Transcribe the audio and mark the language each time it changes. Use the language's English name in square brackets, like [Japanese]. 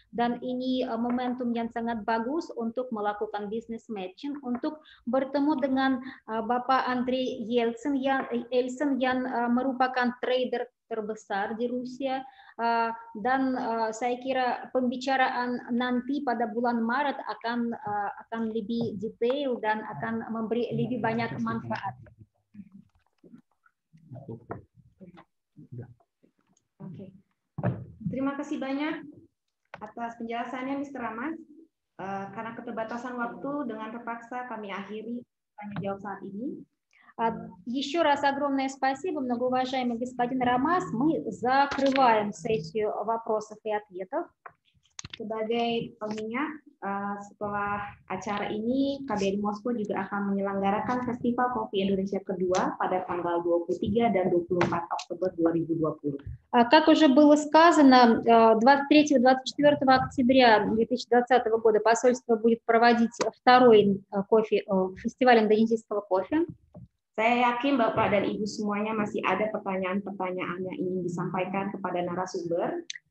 [Indonesian] Dan ini momentum yang sangat bagus untuk melakukan business matching, untuk bertemu dengan Bapak Andrei Ilson yang merupakan trader terbesar di Rusia, dan saya kira pembicaraan nanti pada bulan Maret akan lebih detail dan akan memberi lebih banyak manfaat. Oke. Terima kasih banyak atas penjelasannya, Mr. Rahman. Karena keterbatasan waktu, dengan terpaksa kami akhiri tanya jawab saat ini. [Russian] Еще раз огромное спасибо, многоуважаемый господин Рамас. Мы закрываем сессию вопросов и ответов. [Indonesian] Sebagai pengingat, setelah acara ini, KBRI Moskow juga akan menyelenggarakan Festival Kopi Indonesia kedua pada tanggal 23 dan 24 Oktober 2020. [Russian] Как уже было сказано, 23-24 октября 2020 года посольство будет проводить второй фестиваль индонезийского кофе. [Indonesian] Saya yakin Bapak dan Ibu semuanya masih ada pertanyaan-pertanyaan yang ingin disampaikan kepada narasumber.